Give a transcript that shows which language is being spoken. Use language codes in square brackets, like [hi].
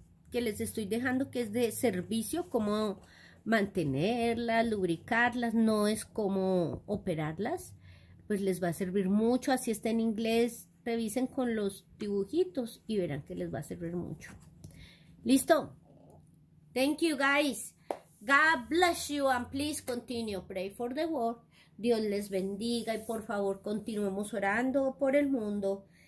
[es] que les estoy dejando, que es de servicio, cómo mantenerlas, lubricarlas, no es cómo operarlas, pues les va a servir mucho. Así está en inglés, revisen con los dibujitos y verán que les va a servir mucho. Listo. [en] Thank you guys. God bless you and please continue pray for the world. [es] Dios les bendiga y por favor continuemos orando por el mundo.